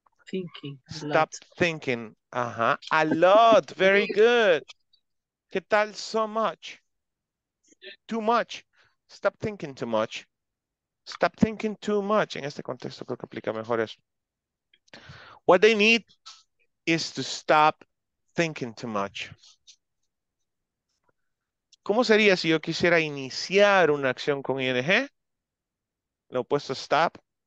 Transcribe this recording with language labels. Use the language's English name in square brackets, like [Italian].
[English] Thinking. Stop thinking. Ajá. A lot. Very good. [Spanish] ¿Qué tal [English] so much? Too much. Stop thinking too much. Stop thinking too much. [Spanish] En este contexto creo que aplica mejor eso. [English] What they need is to stop thinking too much. [Spanish] ¿Cómo sería si yo quisiera iniciar una acción con ING? Lo opuesto a stop.